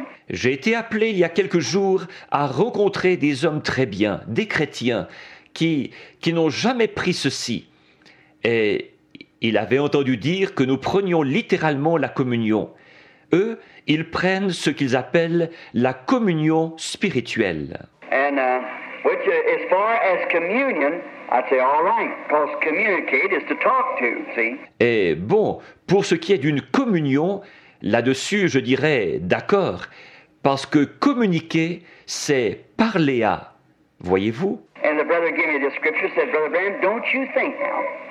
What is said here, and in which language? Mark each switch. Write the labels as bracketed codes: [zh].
[fr] J'ai été appelé il y a quelques jours à rencontrer des hommes très bien, des chrétiens, qui n'ont jamais pris ceci. Et il avait entendu dire que nous prenions littéralement la communion. Eux, ils prennent ce qu'ils appellent la communion spirituelle. [en] And which as far as communion, I'd say all right, because communicate is to talk to, see? [fr] Et bon, pour ce qui est d'une communion, là-dessus je dirais d'accord, parce que communiquer, c'est parler à, voyez-vous? [en] And the brother gave me the scripture, said, Brother Bram, don't you think now?